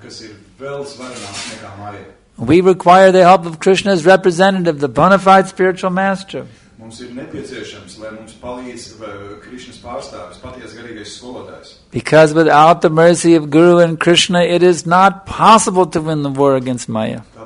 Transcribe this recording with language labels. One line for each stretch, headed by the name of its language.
Latvian: Kas ir vēl svarināks nekā Maya.
English: We require the help of Krishna's representative, the bona fide spiritual master.
Latvian: Mums ir nepieciešams, lai mums palīdz Krishnas pārstāvis, patiesa garīgais skolotājs.
English: Because without the mercy of Guru and Krishna, it is not possible to win the war against Maya.